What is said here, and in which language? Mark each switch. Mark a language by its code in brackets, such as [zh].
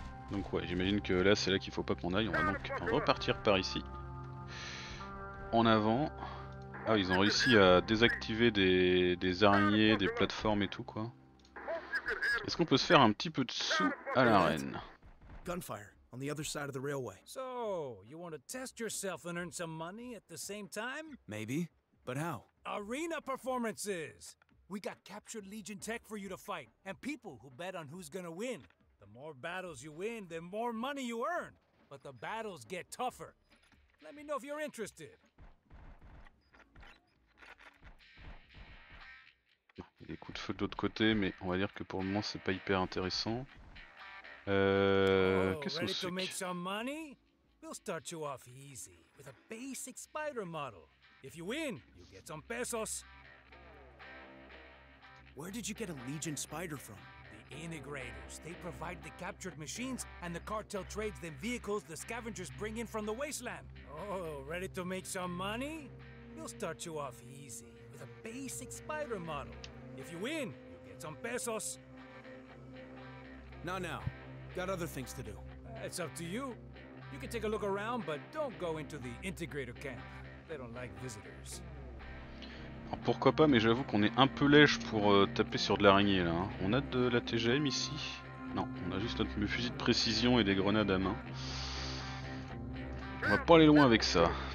[fr] Donc ouais, j'imagine que là, c'est là qu'il faut pas qu'on aille. On va donc repartir par ici. En avant. Ah, ils ont réussi à désactiver des araignées, des plateformes et tout quoi. Est-ce qu'on peut se faire un petit peu de sous à l'arène? [en] Gunfire, on the other side of the railway. So, you want to test yourself and earn some money at the same time? Maybe, but how? Arena performances! We got captured Legion tech for you to fight, and people who bet on who's gonna win. The more battles you win, the more money you earn. But the battles get tougher. Let me know if you're interested. [fr] Il y a des coups de feu de l'autre côté, mais on va dire que pour le moment c'est pas hyper intéressant. Qu'est-ce que c'est? [en] Ready to make some money? We'll start you off easy with a basic spider model. If you win, you get some pesos. Where did you get a Legion spider from? Integrators. They provide the captured machines, and the cartel trades them vehicles the scavengers bring in from the wasteland. Oh, ready to make some money? We'll start you off easy with a basic spider model. If you win, you get some pesos. Not now. Got other things to do. It's up to you. You can take a look around, but don't go into the integrator camp. They don't like visitors. [fr] Alors pourquoi pas, mais j'avoue qu'on est un peu lèche pour taper sur de l'araignée là. On a de la TGM ici? Non, on a juste notre fusil de précision et des grenades à main. On va pas aller loin avec ça.